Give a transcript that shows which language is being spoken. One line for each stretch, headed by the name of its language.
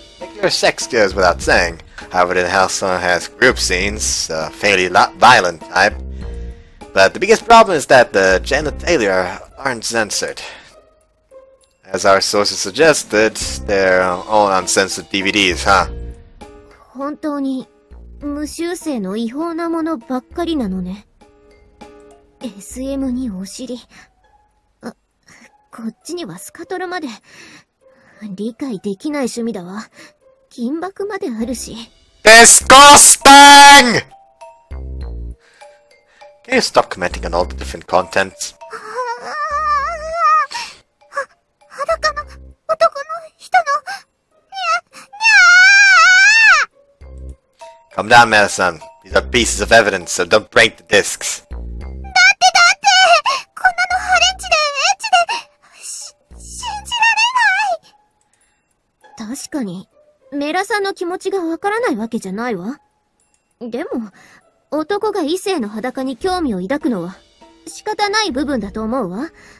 English: Regular sex goes without saying. However, the house has group scenes, a fairly violent type. But the biggest problem is that the genitalia aren't censored. As our sources suggested, they're all uncensored DVDs, huh?
Japanese: 本当に無修正の違法なものばっかりなのね。 SM にお尻。こっちにはスカトロまで。理解できない趣味だわ。金箔まであるし。
English: Disgusting! Can you stop commenting on all the different contents?
Japanese: は、裸の男の人の。
English: Calm down, Madison. These are pieces of evidence, so don't break the discs.
Japanese: だって、こんなのハレンチでエッチで、信じられない。確かに、メラさんの気持ちがわからないわけじゃないわ。でも、男が異性の裸に興味を抱くのは、仕方ない部分だと思うわ。